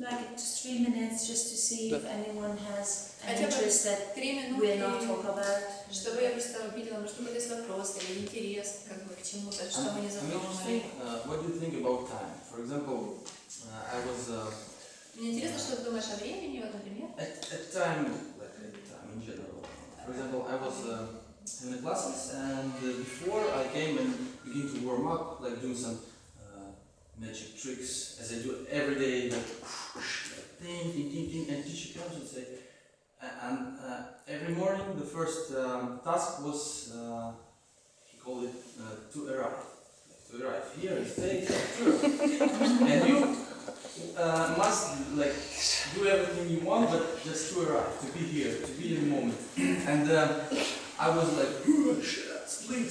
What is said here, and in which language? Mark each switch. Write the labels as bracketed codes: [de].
[en] like 3 minutes, just to see if anyone has an interest that we are not talk about. [ru] Чтобы я просто увидела, может быть, есть вопросы или интерес, как бы к чему-то, что мы не запомнили. [en] What do you think about time? For example, I was. [ru] Мне интересно, что ты думаешь о времени, вот, например. [en] At time in general. For example, I was. In the classes, and before I came and begin to warm up, like doing some magic tricks, as I do every day, like ding, ding, ding, and teacher comes and say, and every morning the first task was, he called it to arrive here and stay, and you must like do everything you want, but just to arrive, to be here in the moment, and. I was like, split